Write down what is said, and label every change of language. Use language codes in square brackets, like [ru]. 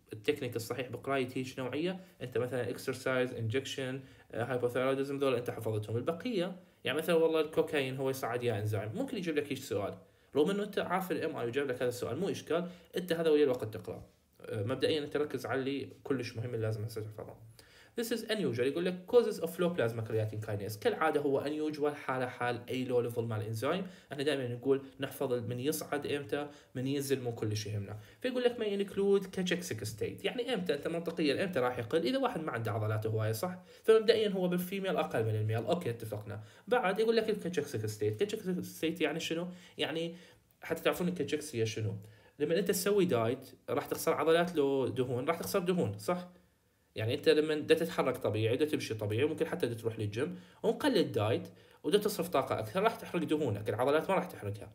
[ar] التكنيك الصحيح بقراية هيش نوعية، انت مثلا اكسرسايز انجكشن هايبوثايرويدزم، دول انت حفظتهم. البقية يعني مثلا والله الكوكايين هو يصعد يا انزيم، ممكن يجيب لك هيش سؤال رغم انه انت عارف الام اي يجيب لك هذا السؤال، مو اشكال. انت هذا ويا الوقت تقرا، مبدئيا انت ركز على اللي كلش مهم اللي لازم هسه تحفظه. [en] This is unusual، [ar] يقول لك [en] causes of low plasma creatine kinase، كالعادة هو unusual [ar] حالة حال أي low level مع الإنزيم. أنا دائما نقول نحفظ من يصعد إمتى، من ينزل، مو كل شيء همنا. فيقول لك ما [en] include cachexic state، [ar] يعني إمتى أنت منطقيا إمتى راح يقل، إذا واحد ما عنده عضلات هواية صح، فمبدئيا هو بالفيميل أقل من الميل، أوكي اتفقنا. بعد يقول لك cachexic state، cachexic state يعني شنو؟ يعني حتى تعرفون cachexia شنو، لما أنت تسوي دايت راح تخسر عضلات لو دهون، راح تخسر دهون صح؟ يعني انت لما دا تتحرك طبيعي، دا تمشي طبيعي، ممكن حتى دا تروح للجيم ونقلل الدايت ودا تصرف طاقه اكثر، راح تحرق دهونك، العضلات ما راح تحرقها.